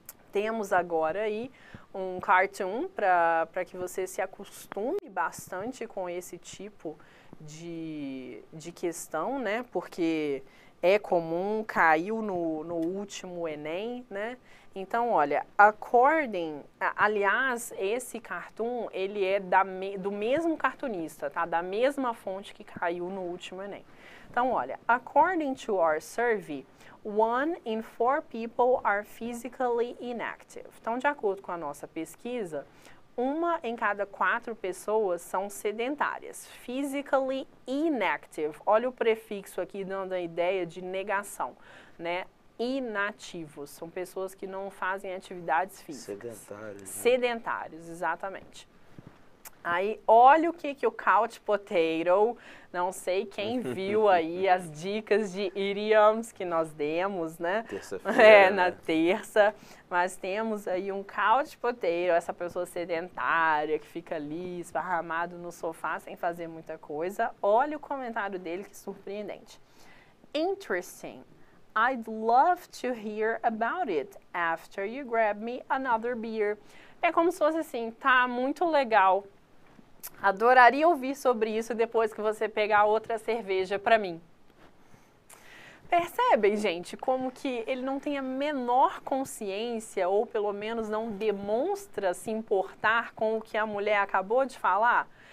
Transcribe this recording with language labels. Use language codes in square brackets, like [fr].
[pt] Temos agora aí um cartoon para que você se acostume bastante com esse tipo de questão, né? Porque é comum, caiu no último Enem, né? Então, olha, according, aliás, esse cartoon, ele é do mesmo cartunista, tá? Da mesma fonte que caiu no último Enem. Então, olha, [en] according to our survey, 1 in 4 people are physically inactive. [pt] Então, de acordo com a nossa pesquisa, 1 em cada 4 pessoas são sedentárias. [en] Physically inactive. [pt] Olha o prefixo aqui dando a ideia de negação, né? Inativos. São pessoas que não fazem atividades físicas. Sedentários. Né? Sedentários, exatamente. Aí, olha o que o Couch Potato, não sei quem viu aí as dicas de idioms que nós demos, né? Terça-feira. Na terça. Mas temos aí um Couch Potato, essa pessoa sedentária que fica ali esparramado no sofá sem fazer muita coisa. Olha o comentário dele, que surpreendente. Interesting. [en] I'd love to hear about it after you grab me another beer. [pt] É como se fosse assim, tá muito legal. Adoraria ouvir sobre isso depois que você pegar outra cerveja para mim. Percebem, gente, como que ele não tem a menor consciência, ou pelo menos não demonstra se importar com o que a mulher acabou de falar?